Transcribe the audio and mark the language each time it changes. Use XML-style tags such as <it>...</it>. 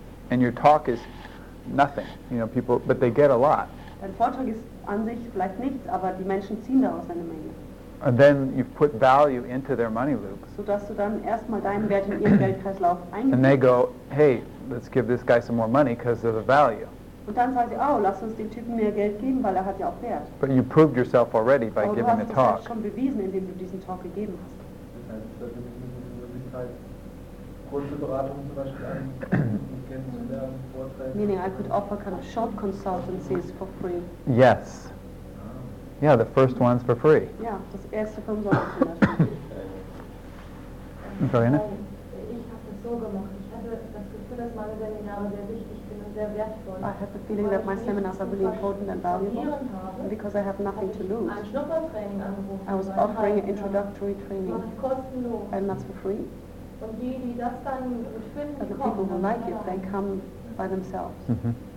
<en>And your talk is nothing, you know, people, but they get a lot.</en> <de>Dein Vortrag ist an sich vielleicht nichts, aber die Menschen ziehen daraus eine Menge.</de> <en>And then you put value into their money loop.</en> <de>So dass du dann erstmal deinen Wert in ihren Geldkreislauf einbringst.</de> <en>And they go, hey, let's give this guy some more money because of the value.</en> <de>Und dann sagen sie, oh, lass uns dem Typen mehr Geld geben, weil er hat ja auch Wert.</de> <en>But you proved yourself already by giving the talk.</en> <de>Du hast es schon bewiesen, indem du diesen Talk gegeben hast. Das heißt, dass du Kurzberatung zum Beispiel kennenzulernen, Vorträge.</de> <en>Meaning I could offer kind of short consultancies for free. Yes. Yeah, the first one's for free.</en> <de>Ja, das erste für umsonst. Ich habe das so gemacht. Ich hatte das Gefühl, dass meine Seminare sehr wichtig sind und sehr wertvoll.</de> <en>I have the feeling that my seminars are really important and valuable. Because I have nothing to lose.</en> <de>Ein Schnuppertraining angeboten.</de> <en>I was offering an introductory training.</en> <de>Kostenlos.</de> <en>And that's for free.</en> <de>Und die das dann finden,</de> <en>the people who like it, they come by themselves. Mm-hmm.</en>